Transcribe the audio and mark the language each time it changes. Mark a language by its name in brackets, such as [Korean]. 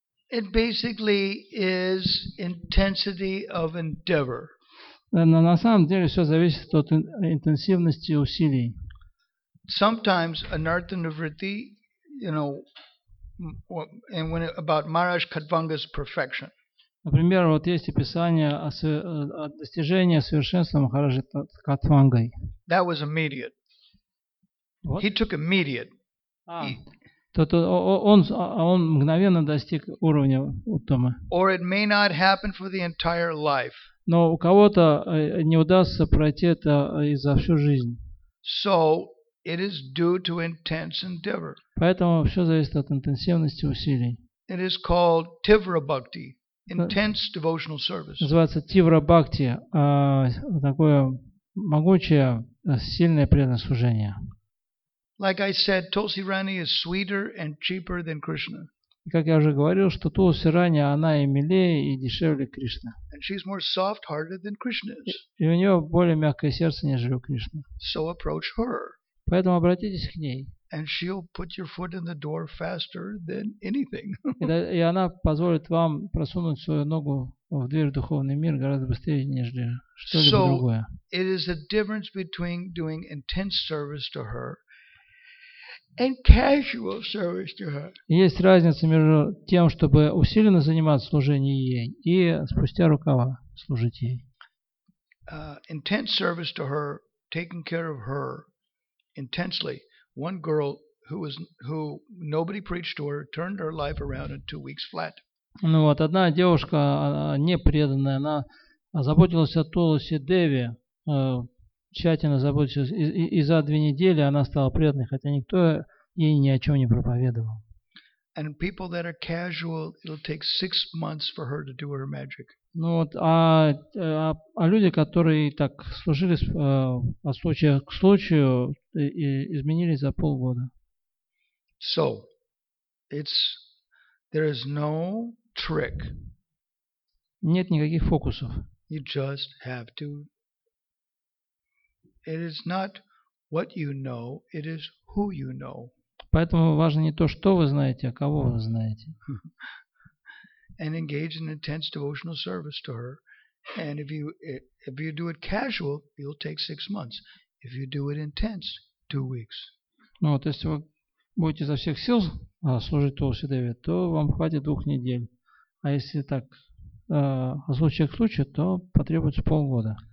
[English] It basically is intensity of endeavor. [Russian] Но на самом деле все зависит от интенсивности усилий. [English] Sometimes anartha nivritti, you know, and when about Maharaj Kadvanga's perfection. [Russian] Например, вот есть описание о достижении совершенства Махараджи Кадвангой. [English] That was immediate. What? He took immediate. [Russian] Он мгновенно достиг уровня Уттамы. [English] Or it may not happen for the entire life. [Russian] Но у кого-то не удастся пройти это и за всю жизнь. [English] So it is due to intense endeavor. [Russian] Поэтому все зависит от интенсивности усилий. [English] It is called Tivra Bhakti, intense devotional service. [Russian] Называется Тивра Бхакти, такое могучее, сильное преданное служение. [English] Like I said, Tulsi Rani is sweeter and cheaper than Krishna. [Russian] Как я уже говорил, что Тулси Рани, она и милее, и дешевле Кришны. [English] And she's more soft-hearted than Krishna is. [Russian] И у нее более мягкое сердце, нежели у Кришны. [English] So approach her. [Russian] Поэтому обратитесь к ней. [English] And she'll put your foot in the door faster than anything. [Russian] И она позволит вам просунуть свою ногу в дверь в духовный мир гораздо быстрее, нежели что-либо другое. [English] So it is the difference between doing intense service to her and casual service to her. [Russian] Есть разница между тем, чтобы усиленно заниматься служением ей и спустя рукава служить ей. [English] Intense service to her, taking care of her intensely. One girl who nobody preached to her turned her life around in 2 weeks flat. [Russian] Ну вот, одна девушка, не преданная, она заботилась о Тулси Деви, тщательно заботилась, и за 2 недели она стала преданной, хотя никто ей ни о чем не проповедовал. [English] And people that are casual, it'll take 6 months for her to do her magic. [Russian] Ну вот, а люди, которые так служили от случая к случаю, и изменились за полгода. [English] So, there is no trick. [Russian] Нет никаких фокусов. [English] You just have to. It is not what you know, it is who you know. [Russian] Поэтому важно не то, что вы знаете, а кого вы знаете. [English] And engage in intense devotional service to her. And if you do it casual, you'll take 6 months. If you do it intense, 2 weeks. [Russian] Ну вот, если вы будете изо всех сил служить Тулси Деви, то вам хватит 2 недель. А если так, от случая к случаю, то потребуется полгода.